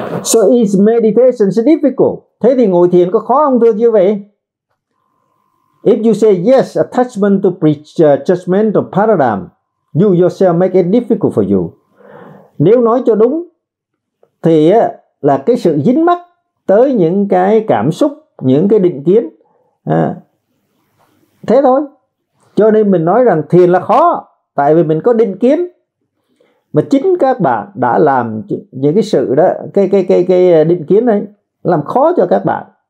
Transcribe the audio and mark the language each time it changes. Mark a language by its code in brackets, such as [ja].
[en] So is meditation difficult? [vi] Thế thì ngồi thiền có khó không thưa chưa vậy? [en] If you say yes, attachment to prejudgmental paradigm, you yourself make it difficult for you. [vi] Nếu nói cho đúng, thì là cái sự dính mắc tới những cái cảm xúc, những cái định kiến. Thế thôi. Cho nên mình nói rằng thiền là khó, tại vì mình có định kiến. Mà chính các bạn đã làm những cái sự đó, cái định kiến này làm khó cho các bạn.